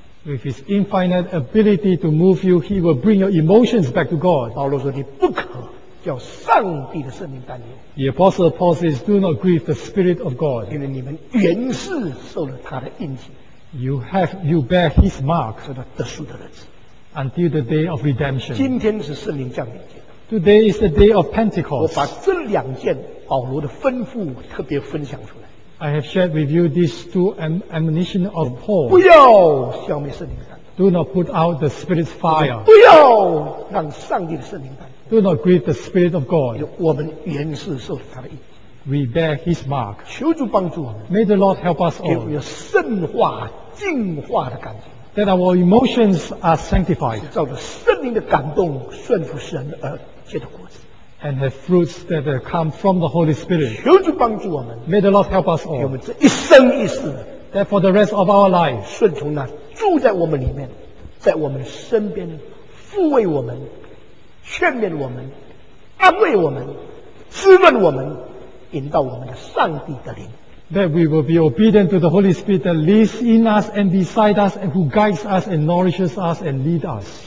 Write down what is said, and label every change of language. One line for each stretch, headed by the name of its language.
English: With his infinite ability to move you, he will bring your emotions back to God.
Chinese: 保罗说你不可叫上帝的圣灵担忧。
English: The Apostle Paul says, do not grieve the Spirit of God.
Chinese: 因为你们原是受了他的印记。
English: You bear his mark.
Chinese: 受到得赎的日子。
English: Until the day of redemption.
Chinese: 今天是圣灵降临节。
English: Today is the day of Pentecost.
Chinese: 我把这两件保罗的吩咐特别分享出来。
English: I have shared with you these two admonition of Paul.
Chinese: 不要消灭圣灵的担忧。
English: Do not put out the Spirit's fire.
Chinese: 不要让上帝的圣灵担忧。
English: Do not grieve the Spirit of God.
Chinese: 我们原是受他的印记。
English: We bear his mark.
Chinese: 求主帮助我们。
English: May the Lord help us all.
Chinese: 给我们圣化、净化的感觉。
English: That our emotions are sanctified.
Chinese: 是照着圣灵的感动顺服神而结的果子。
English: And have fruits that come from the Holy Spirit.
Chinese: 求主帮助我们,
English: May the Lord help us all.
Chinese: 给我们这一生一世,
English: that for the rest of our lives,
Chinese: 顺从那住在我们里面, 在我们身边, 抚慰我们, 劝勉我们, 安慰我们, 滋润我们, 引导我们的上帝的灵。
English: That we will be obedient to the Holy Spirit that lives in us and beside us and who guides us and nourishes us and leads us.